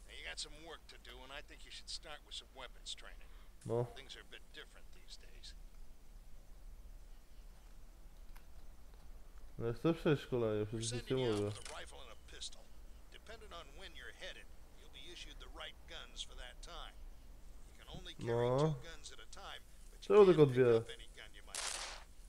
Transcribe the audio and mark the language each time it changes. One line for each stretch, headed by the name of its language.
English: Got some work to do and I think you should start with some weapons training. Things are a bit different these days.
Polish: Ja chcę przejść szkolenie, przecież nie mówię.
English: A rifle and a pistol. Depending on when you're headed, you'll be issued the right guns for that time. You can only carry two guns at a time, but you can't pick up any gun you might have.